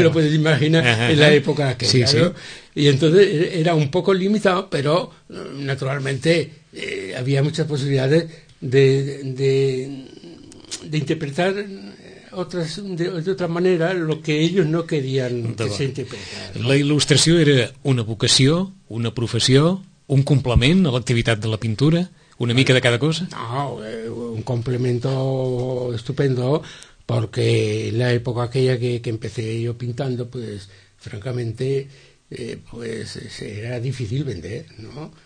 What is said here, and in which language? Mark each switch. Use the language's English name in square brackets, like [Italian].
[Spanish] lo puedes imaginar en la época que sí, era, sí. ¿No? Y entonces era un poco limitado, pero naturalmente había muchas posibilidades de interpretar de otra manera lo que ellos no querían que se interpretara. [Catalan] La il·lustració era una vocació, una professió, un complement a l'activitat de la pintura, una mica de cada cosa? [Spanish] No, un complemento estupendo, porque en la época aquella que empecé yo pintando, pues francamente, pues era difícil vender, ¿no?